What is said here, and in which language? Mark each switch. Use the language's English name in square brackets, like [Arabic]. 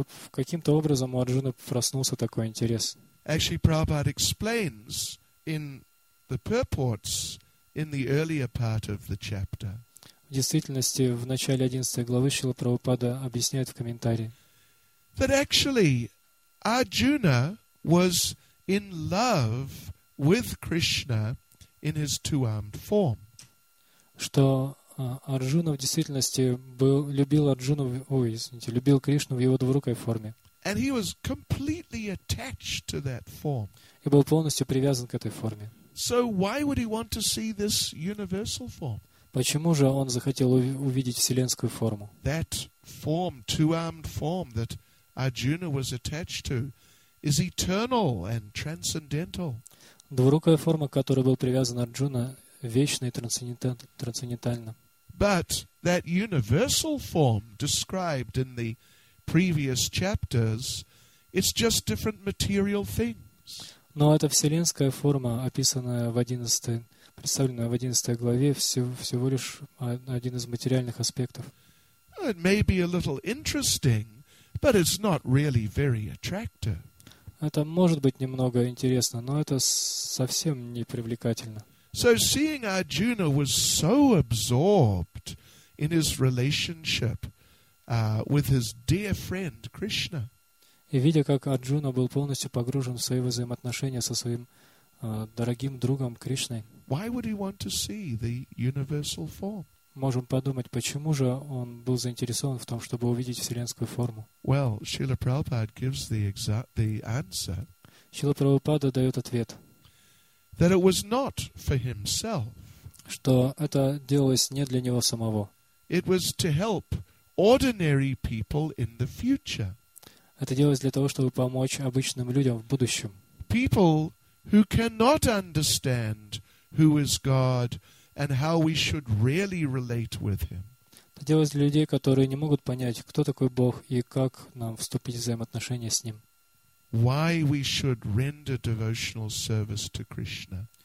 [Russian] Каким-то образом у Арджуны проснулся такой интерес. [English] Actually, Prabhupada explains in the purports in the earlier part of the chapter. [Russian] В действительности, в начале 11 главы Шрила Прабхупада объясняет в комментарии. [English] That actually Arjuna was in love with Krishna in his two-armed form. [Russian] Что Арджуна в действительности был любил Арджуну, любил Кришну в его двурукой форме. [English] And he was completely attached to that form. [Russian] И был полностью привязан к этой форме. [English] So why would he want to see this universal form? [Russian] Почему же он захотел увидеть вселенскую форму? [English] That form, two-armed form that Arjuna was attached to is eternal and transcendental. [Russian] Двурукая форма, к которой был привязан Арджуна, вечна и трансцендентальна. [English] But that universal form described in the previous chapters, it's just different material things. [Russian] Но эта вселенская форма, описанная в 11, представленная в 11 главе, всего лишь один из материальных аспектов. [English] It may be a little interesting, but it's not really very attractive. [Russian] Это может быть немного интересно, но это совсем не привлекательно. [English] So seeing Arjuna was so absorbed in his relationship with his dear friend Krishna. [Russian] И видя, как Арджуна был полностью погружен в свои взаимоотношения со своим дорогим другом Кришной. [English] Why would he want to see the universal form? [Russian] Можем подумать, почему же он был заинтересован в том, чтобы увидеть вселенскую форму? [English] Well, Srila Prabhupada gives the answer. [Russian] Srila Prabhupada дает ответ. [English] That it was not for himself. [Russian] Что это делалось не для него самого. [English] It was to help ordinary people in the future. [Russian] Это делалось для того, чтобы помочь обычным людям в будущем. [English] People who cannot understand who is God and how we should really relate with Him. [Russian] Это делалось для людей, которые не могут понять, кто такой Бог и как нам вступить в взаимоотношения с Ним. [English] Why we should render devotional service to Krishna.